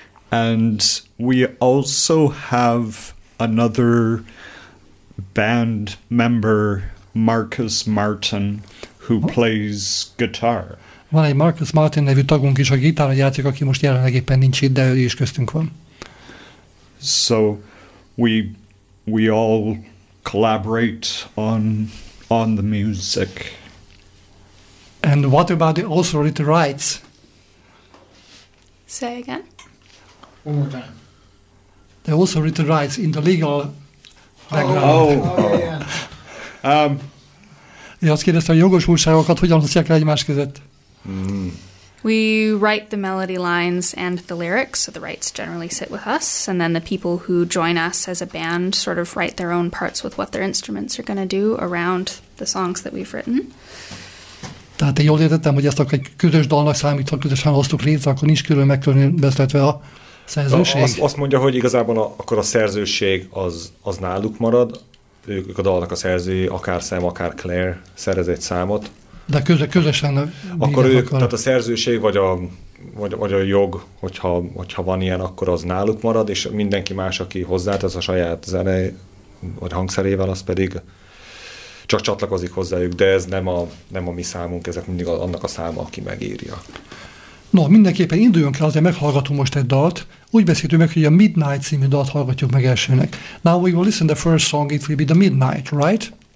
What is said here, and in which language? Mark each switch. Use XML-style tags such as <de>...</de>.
<en>And we also have another band member, Marcus Martin, who plays guitar.</en> <hu>Van egy Marcus Martin nevű tagunk is, a gitáron játszik, aki most jelenleg éppen nincs itt, de ő is köztünk van.</hu> <en>So we all collaborate on the music. And what about the authority rights? Say again. One more time. They also written rights in the legal background. Oh yeah.</en> <hu>Azt kérdezte, hogy jogosultságokat hogyan hozzák el egymás között?</hu> <en>We write the melody lines and the lyrics, so the rights generally sit with us, and then the people who join us as a band sort of write their own parts with what their instruments are going to do around the songs that we've written.</en> <hu>Tehát én jól értettem, hogy ezt egy közös dalnak számít, ha közösen hoztuk létre, akkor nincs külön megkülönböztetve a szerzőség. Azt mondja, hogy igazából akkor a szerzőség az náluk marad. Ők a dalnak a szerzői, akár Sam, akár Claire szerez egy számot. De közösen... Akkor ők, tehát a szerzőség, vagy a jog, hogyha van ilyen, akkor az náluk marad, és mindenki más, aki hozzátesz a saját zene, vagy hangszerével, az pedig csak csatlakozik hozzájuk, de ez nem a mi számunk, ezek mindig annak a száma, aki megírja. No, mindenképpen induljon kell, azért meghallgatom most egy dalt. Úgy beszéltünk meg, hogy a Midnight című dalt hallgatjuk meg elsőnek.</hu> <en>Now we will listen the first song, it will be the Midnight, right?</en>